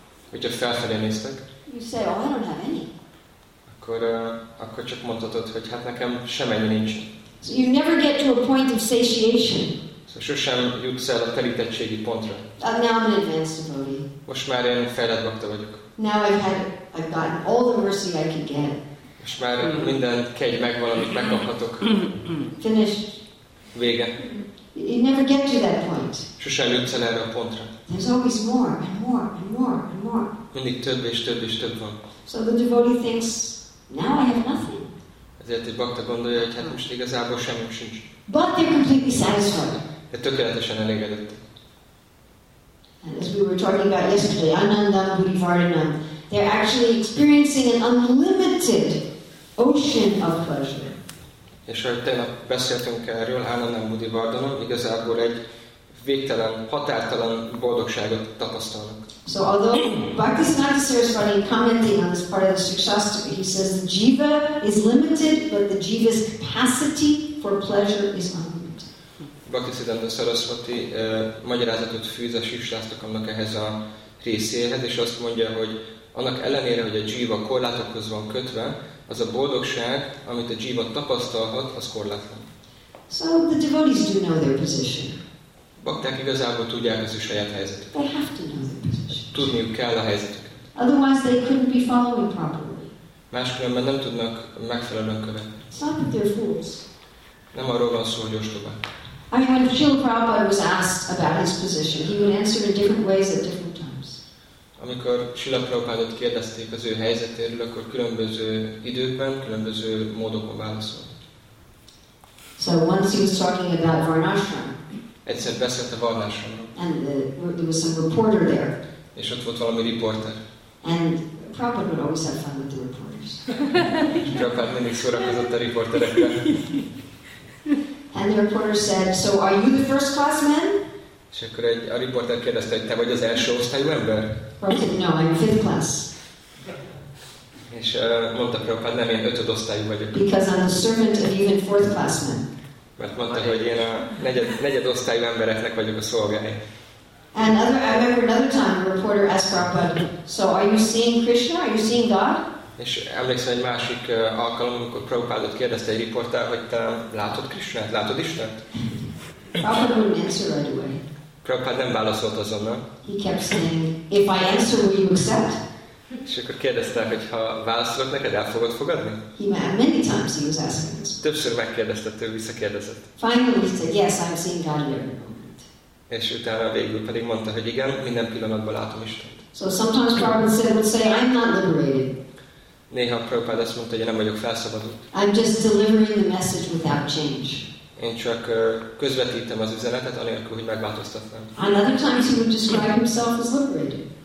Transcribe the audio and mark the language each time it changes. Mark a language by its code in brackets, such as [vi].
[hu] hogyha felfelé néztek, [en] you say, oh, I don't have any. [hu] Akkor csak mondhatod, hogy hát nekem semennyi nincs. [en] So you never get to a point of satiation. [hu] So sosem jutsz el a telítettségi pontra. [en] Now I'm an advanced devotee. [hu] Most már én fejlett bhakta vagyok. [en] Now I've gotten all the mercy I can get. [hu] Most már minden kegy megvan, amit megkaphatok. [en] Finished. [hu] Vége. [en] You never get to that point. [hu] Sosem jutsz el erre a pontra. [en] There's always more and more and more and more. [hu] Mindig több és több és több van. [en] So the devotee thinks, now I have nothing. [hu] Ezért egy bhakta gondolja, hogy hát most igazából semmi sincs. [en] But they're completely satisfied. [hu] De tökéletesen elégedett. [en] And as we were talking about yesterday, Ananda Bhudivardhana, they're actually experiencing an unlimited ocean of pleasure. [hu] És ahogy tegnap beszéltünk erről, Ananda Bhudivardhana, igazából egy végtelen, határtalan boldogságot tapasztalnak. [en] So although Bhaktisiddhanta Saraswati commenting on this part of the Sikshastra, he says the jiva is limited, but the jiva's capacity for pleasure is unlimited. [hu] Bhaktisiddhanta Saraswati magyarázatot fűz a Sikshastrának ehhez a részéhez, és azt mondja, hogy annak ellenére, hogy a jiva korlátokhoz van kötve, az a boldogság, amit a jiva tapasztalhat, az korlátlan. [en] So the devotees do know their position. [hu] Bakták igazából tudják az ő saját helyzetet. [en] They have to know their position. [hu] Tudniuk kell a helyzetet. [en] Otherwise they couldn't be following properly. [hu] Máskülönben nem tudnak megfelelően követni. [en] It's not that they're fools. [hu] Nem arról van szó, hogy ostobák. [en] I mean, when Srila Prabhupada was asked about his position, he would answer in different ways at different times. [hu] Amikor Srila Prabhupádot kérdezték az ő helyzetéről, akkor különböző időkben, különböző módokon válaszolt. [en] So once he was talking about Varnashram. [hu] Egyszer beszélt a Varnashramról. [en] And there was some reporter there. [hu] És ott volt valami riporter. [en] And Prabhupada would always have fun with the reporters. [hu] Prabhupada mindig szórakozott a riporterekkel. [en] And the reporter said, so are you the first class man? [hu] És akkor a riporter kérdezte, hogy te vagy az első osztályú ember? [en] Prabhupada, no, I'm fifth class. [hu] És mondta Prabhupada, nem, én ötöd osztályú vagyok. [en] Because I'm the servant of even fourth class men. [hu] Mert mondta, hogy én a negyed osztályú embereknek vagyok a szolgája. [en] And other, I remember another time a reporter asked Prabhupada, so are you seeing Krishna? Are you seeing God? [hu] És emlékszem egy másik alkalom, amikor Prabhupádot kérdezte egy riporter, hogy te látod Krishnát, látod Istent? [en] Prabhupada wouldn't answer right away. [hu] Prabhupada nem válaszolt azonnal. [en] He kept saying, if I answer, will you accept? [hu] És akkor kérdezte, hogy ha válaszolok neked, el fogod fogadni? [en] Many times he was asking this. [hu] Többször megkérdezte, több visszakérdezett. [en] Finally he said, yes, I've seen God every moment. [hu] És utána végül pedig mondta, hogy igen, minden pillanatban látom Istent. [en] So sometimes Prabhupada would say, I'm not liberated. [hu] Néha Prabhupada azt mondta, hogy én nem vagyok felszabadult. [en] I'm just delivering the message without change. [hu] Én csak közvetítem az üzenetet, anélkül, hogy megváltoztatnám. [en] Another time he would describe himself as liberated.